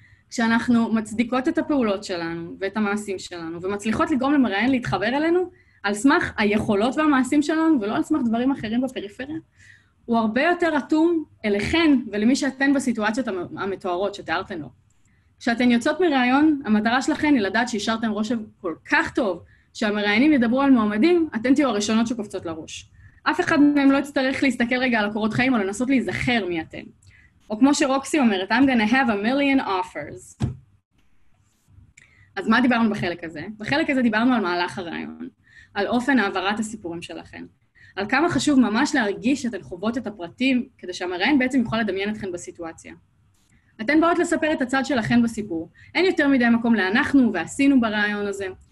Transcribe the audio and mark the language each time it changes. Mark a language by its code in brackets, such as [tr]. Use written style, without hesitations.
[he] כשאנחנו מצדיקות את הפעולות שלנו ואת המעשים שלנו, ומצליחות לגרום למראיין להתחבר אלינו על סמך היכולות והמעשים שלנו ולא על סמך דברים אחרים בפריפריה, הוא הרבה יותר אטום אליכן ולמי שאתן בסיטואציות המתוארות שתיארתן לו. כשאתן יוצאות מראיון, המטרה שלכן היא לדעת שהשארתם רושם כל כך טוב שהמראיינים ידברו על מועמדים, אתן תהיו הראשונות שקופצות לראש. אף אחד מהם לא יצטרך להסתכל רגע על קורות חיים או לנסות להיזכר מי אתן. או כמו שרוקסי אומרת, [en] I'm gonna have a million offers. [he] אז מה דיברנו בחלק הזה? בחלק הזה דיברנו על מהלך הרעיון, על אופן העברת הסיפורים שלכן, על כמה חשוב ממש להרגיש שאתן חוות את הפרטים, כדי שהמראיין בעצם יכול לדמיין אתכן בסיטואציה. אתן באות לספר את הצד שלכן בסיפור. אין יותר מדי מקום לאנחנו ועשינו ברעיון הזה.